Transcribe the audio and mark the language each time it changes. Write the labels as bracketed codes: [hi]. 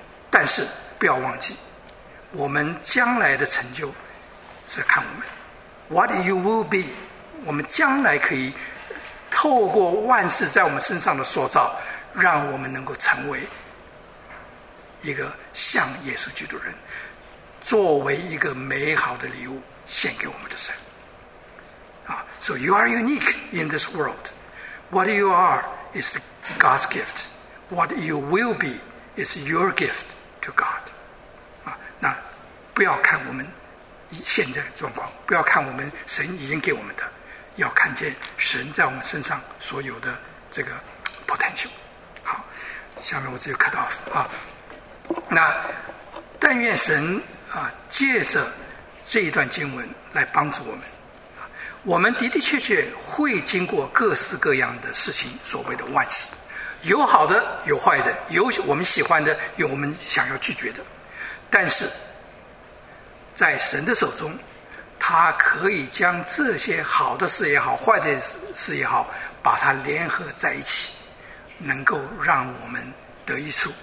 [zh] 但是不要忘记，我们将来的成就是看我们 ， [en] what you will be， [zh] 我们将来可以。透过万事在我们身上的塑造，让我们能够成为一个像耶稣基督人，作为一个美好的礼物献给我们的神。 [en] So you are unique in this world. What you are is God's gift. What you will be is your gift to God. [zh] 那不要看我们现在状况，不要看我们神已经给我们的，要看见神在我们身上所有的这个 potential。好，下面我只有 cut off 啊。那但愿神啊借着这一段经文来帮助我们，我们的的确确会经过各式各样的事情，所谓的万事，有好的有坏的，有我们喜欢的，有我们想要拒绝的，但是在神的手中，他可以将这些好的事也好，坏的事也好，把它联合在一起，能够让我们得益处。